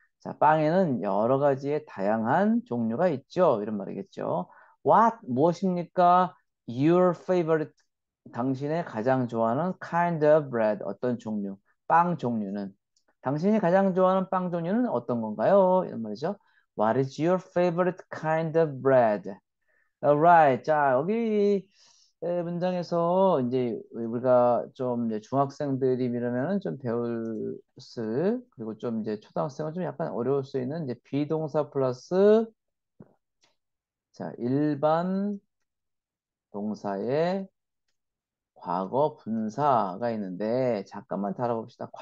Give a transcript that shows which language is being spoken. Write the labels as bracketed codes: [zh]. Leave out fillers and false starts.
[ko] 자, 빵에는 여러 가지의 다양한 종류가 있죠. 이런 말이겠죠. What? 무엇입니까? [en] Your favorite. [ko] 당신의 가장 좋아하는 [en] kind of bread. [ko] 어떤 종류? 빵 종류는? 당신이 가장 좋아하는 빵 종류는 어떤 건가요? 이런 말이죠. [en] What is your favorite kind of bread? [ko] Alright. 자, 여기. 네, 문장에서 이제 우리가 좀 이제 중학생들이라면 좀 배울 수 그리고 좀 이제 초등학생은 좀 약간 어려울 수 있는 이제 비동사 플러스 자 일반 동사의 과거 분사가 있는데 잠깐만 다뤄봅시다.